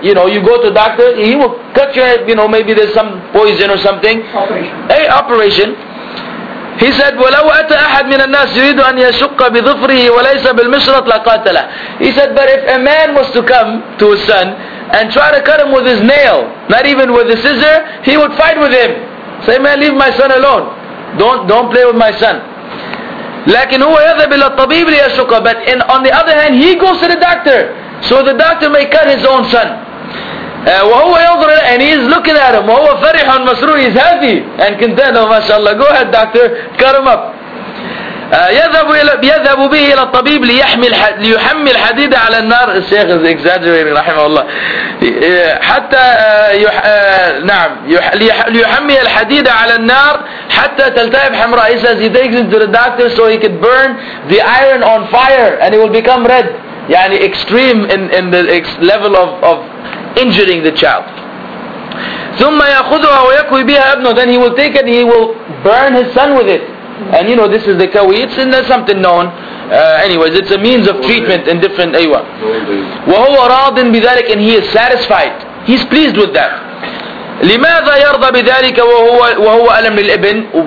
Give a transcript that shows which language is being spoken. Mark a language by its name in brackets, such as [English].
[English] You know, you go to a doctor, he will cut your head, you know, maybe there's some poison or something. Operation. He said, [Arabic] وَلَوْ أَتَى أَحَدْ مِنَ النَّاسِ يُرِيدُ أَنْ يَشُقَّ بِظُفْرِهِ وَلَيْسَ بِالْمِشْرَطْ لَقَاتَلَهُ. [English] He said, but if a man was to come to his son and try to cut him with his nail, not even with a scissor, he would fight with him. Say, man, leave my son alone. Don't play with my son. [Arabic] لكن هو يذهب إلى الطبيب ليشقه. [English] But on the other hand, he goes to the doctor so the doctor may cut his own son. [Arabic] وهو ينظر, [English] and he is looking at him. [Arabic] وهو فرح مسرور, [English] he's happy and content. Oh, mashallah, go ahead, doctor, cut him up. [Arabic] يذهب به إلى الطبيب ليحمي الحديد على النار. الشيخ [English] is exaggerating, [Arabic] رحمه الله. حتى نعم ليحمي الحديد على النار حتى تلتهب حمراء. [English] He says he takes it to the doctor so he could burn the iron on fire and it will become red. يعني extreme in the level of injuring the child. [Arabic] ثم يأخذها ويكوي بها ابنه. [English] Then he will take it and he will burn his son with it. And you know, this is the kawi, it's in there something known. Anyways, it's a means of treatment in different aywa. [Arabic] وَهُوَ رَاضٍ بِذَلِكَ, [English] and he is satisfied. He's pleased with that. [Arabic] لِمَاذَا يَرْضَ بِذَلِكَ وَهُوَ أَلَمْ لِلْإِبْنِ.